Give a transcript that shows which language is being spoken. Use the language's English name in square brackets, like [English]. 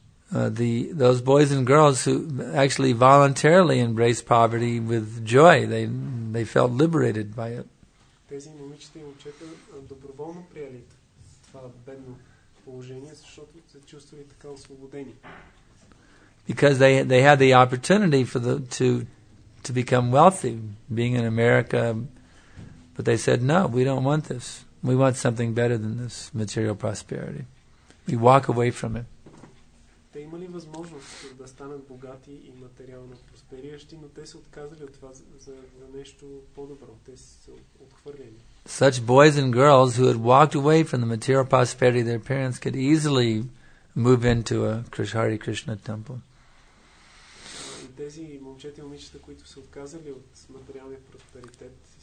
[English] Those boys and girls who actually voluntarily embraced poverty with joy, they felt liberated by it. [Bulgarian] Тези момичета и момчета доброволно приели това бедно положение, защото се чувствали така освободени. [English] Because they had the opportunity for the to become wealthy, being in America. But they said, no, we don't want this. We want something better than this material prosperity. We walk away from it. [Bulgarian] Те имали възможност да станат богати и материално просперящи, но те се отказали от това за нещо по-добро. Те се отхвърлили. [English] Such boys and girls who had walked away from the material prosperity of their parents could easily move into a Hare Krishna temple. [Bulgarian] И тези момчета и момичета, които се отказали от материалния просперитет,